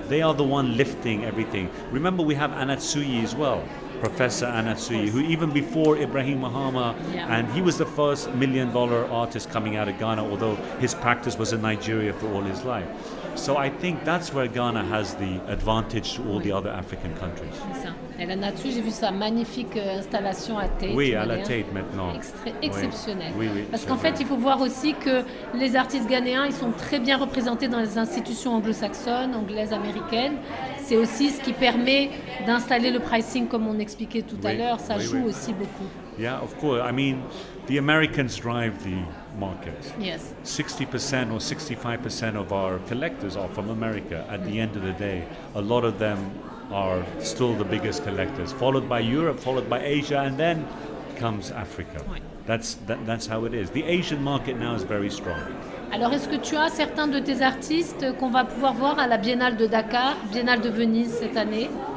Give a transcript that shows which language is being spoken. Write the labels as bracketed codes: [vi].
[en] They are the one lifting everything. Remember, we have Anatsuyi as well, Professor Anatsuyi, who even before Ibrahim Mahama, and he was the first million-dollar artist coming out of Ghana, although his practice was in Nigeria for all his life. So I think that's where Ghana has the advantage to all the other African countries. [fr] Et la nature, j'ai vu sa magnifique installation à Tate. Oui, à la Tate maintenant. Exceptionnel. Oui. Parce qu'en fait, il faut voir aussi que les artistes ghanéens, ils sont très bien représentés dans les institutions anglo-saxonnes, anglaises, américaines. C'est aussi ce qui permet d'installer le pricing, comme on expliquait tout à l'heure. Ça joue aussi beaucoup. [en] Yeah, of course. I mean, the Americans drive the market. Yes. 60% or 65% of our collectors are from America. At the end of the day, a lot of them are still the biggest collectors, followed by Europe, followed by Asia, and then comes Africa. That's how it is. The Asian market now is very strong. [fr] Alors, est-ce que tu as certains de tes artistes qu'on va pouvoir voir à la Biennale de Dakar, Biennale de Venise cette année?